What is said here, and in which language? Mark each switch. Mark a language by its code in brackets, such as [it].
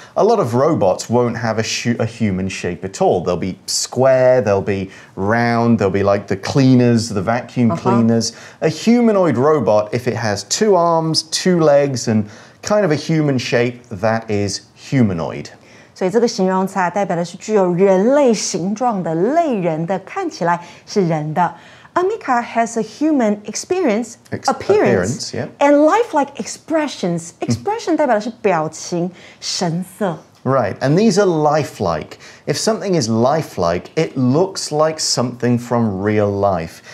[en] A lot of robots won't have a human shape at all. They'll be square, they'll be round, they'll be like the cleaners, the vacuum cleaners. A humanoid robot, if it has two arms, two legs, and kind of a human shape, that is humanoid. [zh] 所以这个形容词代表的是具有人类形状的类人的，看起来是人的。 [en] Ameca has a human appearance and lifelike expressions. [zh] Expression 代表的是表情、神色。 [en] Right, and these are lifelike. If something is lifelike, it looks like something from real life.